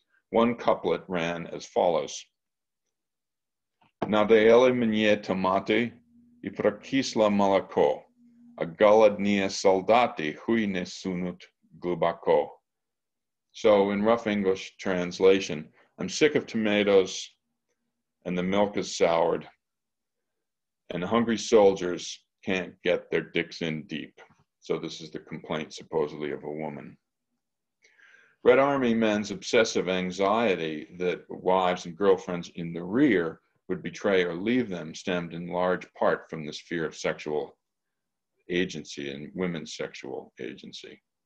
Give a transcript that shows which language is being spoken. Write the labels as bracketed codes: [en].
[en] One couplet ran as follows. [ru] Надоели мне томаты и прокисло молоко, а голодные солдаты хуй не сунут глубоко. [en] So in rough English translation, I'm sick of tomatoes and the milk is soured and hungry soldiers can't get their dicks in deep. So this is the complaint supposedly of a woman. Red Army men's obsessive anxiety that wives and girlfriends in the rear would betray or leave them stemmed in large part from this fear of sexual agency and women's sexual agency.